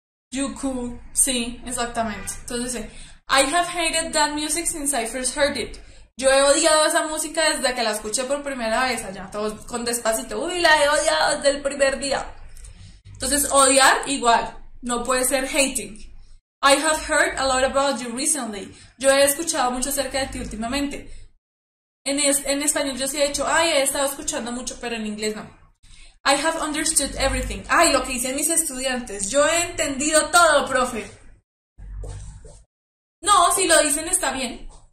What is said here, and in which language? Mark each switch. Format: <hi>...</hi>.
<en>You cool.</en> <es>Sí, exactamente. Entonces dice,</es> <en>I have hated that music since I first heard it.</en> <es>Yo he odiado esa música desde que la escuché por primera vez. Allá, todos con despacito. Uy, la he odiado desde el primer día. Entonces, odiar igual. No puede ser hating.</es> <en>I have heard a lot about you recently.</en> <es>Yo he escuchado mucho acerca de ti últimamente. En español yo sí he dicho, ay, he estado escuchando mucho, pero en inglés no.</es> <en>I have understood everything.</en> <es>Ay, lo que dicen mis estudiantes. Yo he entendido todo, profe. No, si lo dicen está bien.</es>